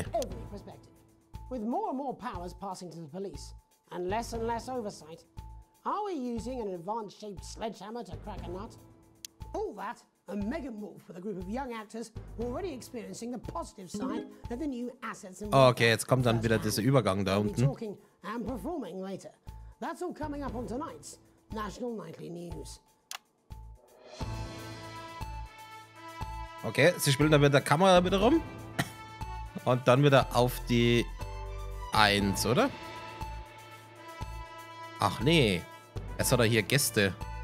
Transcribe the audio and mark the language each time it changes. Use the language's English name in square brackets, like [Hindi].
[English] Every perspective. With more and more powers passing to the police and less oversight, are we using an advanced-shaped sledgehammer to crack a nut? All that, a mega move for the group of young actors who are already experiencing the positive side that the new assets and... [German] Okay, jetzt kommt dann wieder dieser Übergang da unten. [English] Talking and performing later. That's all coming up on tonight's National Nightly News. [German] Okay, sie spielen dann mit der Kamera wieder rum. Und dann wieder auf die 1, oder? Ach nee, jetzt hat er hier Gäste.